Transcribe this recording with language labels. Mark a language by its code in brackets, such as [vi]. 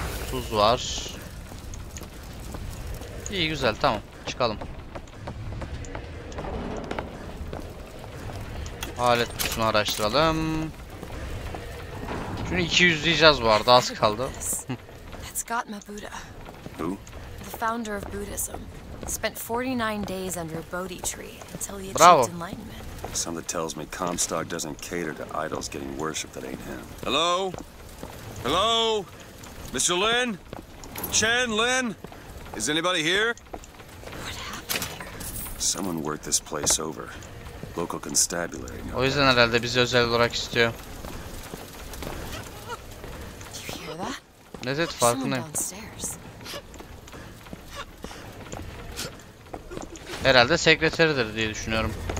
[tr] Tuz var. İyi, güzel, tamam. Çıkalım. Alet kutusunu araştıralım. Şunu 200 diyeceğiz bu arada, az kaldı. [en] That's Gautama Buddha. The founder of Buddhism. Spent 49 days under a Bodhi tree until he achieved enlightenment. Something tells me Comstock doesn't cater to idols getting worship that ain't him. Hello? Hello? Mr. Lin? Chen Lin? Is anybody here? Someone worked this place over. Local constabulary. [tr] O yüzden herhalde bizi özel olarak istiyor. Ne dedi, farkındayım. Herhalde sekreteridir diye düşünüyorum.